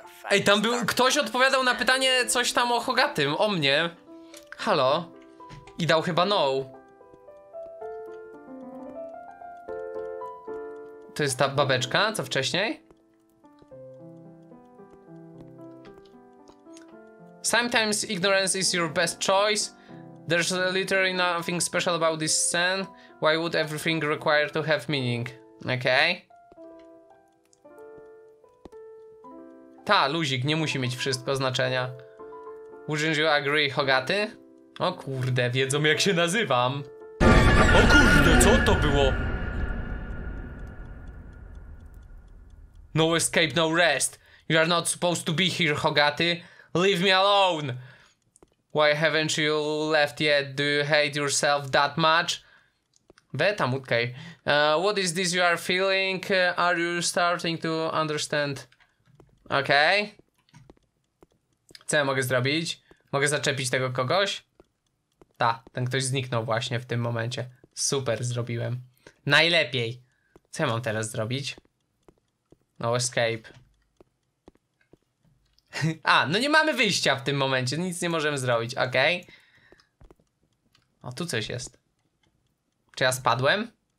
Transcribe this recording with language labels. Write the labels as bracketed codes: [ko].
[pl] Ej, tam był... ktoś odpowiadał na pytanie coś tam o Hogatym, o mnie. Halo? I dał chyba no. To jest ta babeczka, co wcześniej? [en] Sometimes ignorance is your best choice. There's literally nothing special about this scene. Why would everything require to have meaning? Okay. [pl] Ta, luzik, nie musi mieć wszystko znaczenia. [en] Wouldn't you agree, Hogaty? [pl] O kurde, wiedzą jak się nazywam. O kurde, co to było? [en] No escape, no rest. You are not supposed to be here, Hogaty. Leave me alone. Why haven't you left yet? Do you hate yourself that much? Betam, okej. What is this you are feeling? Are you starting to understand? [pl] Okej. Okay. Co ja mogę zrobić? Mogę zaczepić tego kogoś? Ta, ten ktoś zniknął właśnie w tym momencie. Super, zrobiłem. Najlepiej. Co ja mam teraz zrobić? No, escape. A, no nie mamy wyjścia w tym momencie. Nic nie możemy zrobić, okej. O, tu coś jest. Czy ja spadłem?